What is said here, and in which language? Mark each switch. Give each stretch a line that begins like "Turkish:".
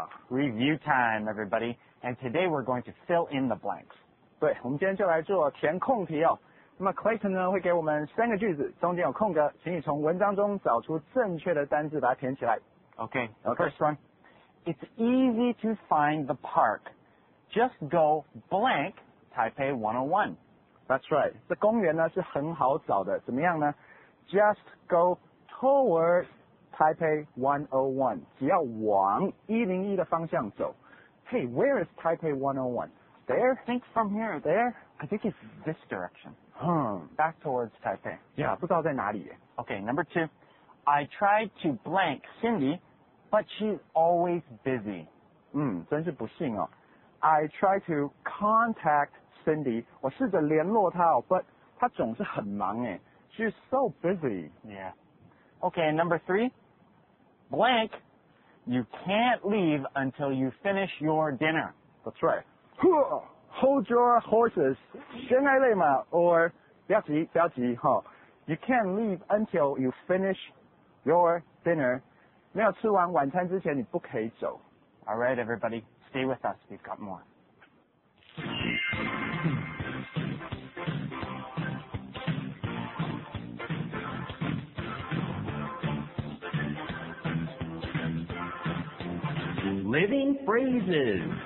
English: Review time, everybody. And today we're going to fill in the blanks.
Chinese: 对，我们今天就来做填空题哦。那么 Clayton 呢，会给我们三个句子，中间有空格，请你从文章中找出正确的单字，把它填起来。
English: Okay. First one. It's easy to find the park. Just go blank Taipei 101. That's right.
Chinese: 这公园呢是很好找的，怎么样呢？
English: Just go towards.
Chinese: Taipei 101, 只要往101的方向走。
English: Hey, where is Taipei 101? There? I think from here. There? I think it's this direction. Back towards Taipei. Yeah,
Chinese: 不知道在哪里耶。
English: Okay, number two. I tried to blank Cindy, but she's always busy.
Chinese: 真是不幸哦。
English: I tried to contact Cindy,
Chinese: 我试着联络她哦,
English: but
Chinese: 她总是很忙耶。
English: She's so busy. Yeah. Okay, number three, blank, you can't leave until you finish your dinner. That's right. Hold your horses,
Chinese: 先来累嘛
English: or
Chinese: 不要急不要急、
English: huh? You can't leave until you finish your dinner.
Chinese: 没有吃完晚餐之前你不可以走。
English: All right, everybody, stay with us, we've got more. living phrases.